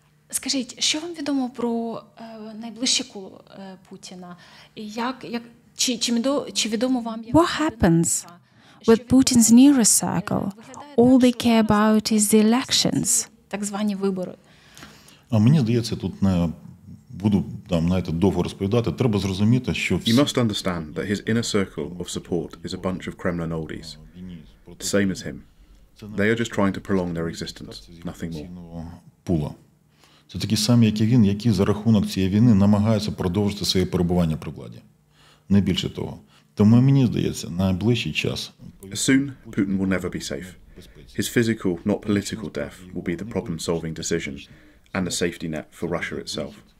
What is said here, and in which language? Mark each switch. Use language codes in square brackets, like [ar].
[uk] Скажіть, що вам відомо про найближче коло Путіна? Чи відомо вам... [en] What happens with Putin's nearest circle? All they care about is the elections. [uk] Так звані вибори. А мені здається, тут не буду там, знаєте, довго розповідати. Треба зрозуміти, що... [en] You must understand that his inner circle of support is a bunch of Kremlin oldies. The same as him. They are just trying to prolong their existence. Nothing more. Пула. [uk] Це такі самі, як і він, які за рахунок цієї війни намагаються продовжити своє перебування при владі. Не більше того. Тому мені здається, найближчий час... [en] Soon, Putin will never be safe. His physical, not political death, will be the problem-solving decision and the safety net for Russia itself.